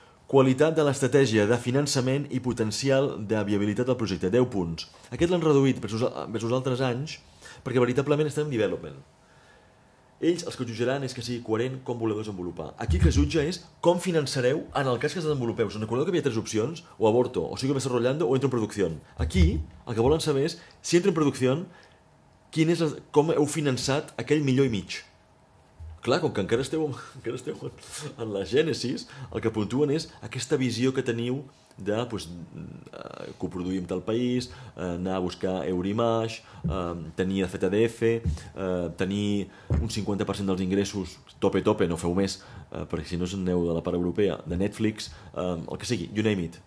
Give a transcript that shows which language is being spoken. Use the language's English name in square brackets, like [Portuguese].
[Catalan] qualitat de l'estratègia de finançament i potencial de viabilitat del projecte, 10 punts. Aquest l'han reduït versus altres anys perquè veritablement estem en development. Ells els que jutjaran és que sigui coherent com voleu desenvolupar. Aquí que jutja és com finançareu en el cas que es desenvolupeu. Us recordeu que hi havia tres opcions? [Spanish] O aborto, o sigo desarrollando, o entro en producción. [Catalan] Aquí el que volen saber és, [Spanish] si entro en producción, [Catalan] quin és com heu finançat aquell millor i mig. Clar, com que encara esteu en la gènesis, el que puntuen és aquesta visió que teniu de pues, coproduir amb tal país, anar a buscar Eurimage, tenir de fet ADF, tenir un 50% dels ingressos, tope, no feu més, perquè si no aneu de la part europea, de Netflix, el que sigui, [English] you name it.